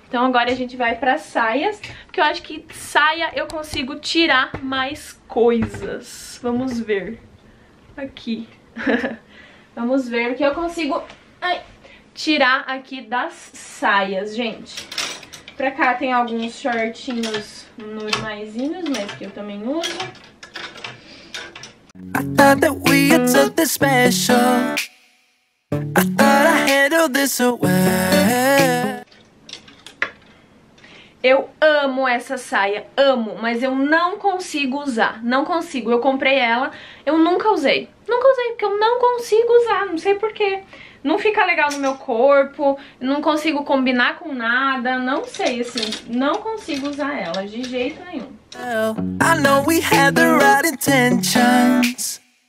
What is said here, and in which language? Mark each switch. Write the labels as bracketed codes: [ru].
[pt] Então agora a gente vai pras saias, porque eu acho que saia eu consigo tirar mais coisas. Vamos ver. Aqui. Vamos ver o que eu consigo tirar aqui das saias, gente. Pra cá tem alguns shortinhos normaisinhos, mas que eu também uso. [en] I thought that we had something special. I thought I handled this away. [pt] Eu amo essa saia, amo, mas eu não consigo usar, não consigo. Eu comprei ela, eu nunca usei porque eu não consigo usar, não sei porquê. Não fica legal no meu corpo, não consigo combinar com nada, não sei, assim, não consigo usar ela de jeito nenhum. [en] I know we had the right intentions,